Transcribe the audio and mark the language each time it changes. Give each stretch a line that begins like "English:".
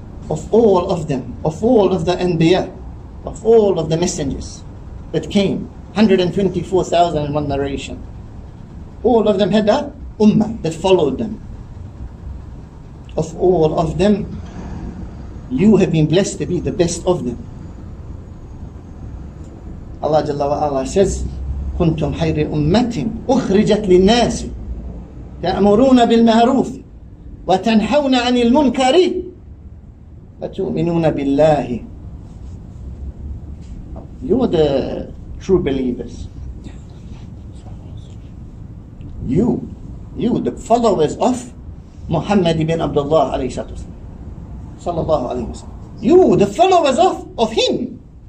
English: Of all of them, of all of the Anbiya, of all of the messengers that came, 124,000 in one narration. All of them had a Ummah that followed them. Of all of them, you have been blessed to be the best of them. Allah Jalla wa Ala says,
Arabic: كنتم خير أمة أخرجت للناس تأمرون بالمعروف وتنهون عن المنكر وتؤمنون بالله.
English: You are the true believers. You, the followers of Muhammad ibn Abdullah alayhi salatu wasalam. Sallallahu alayhi wasalam. You, the followers of him.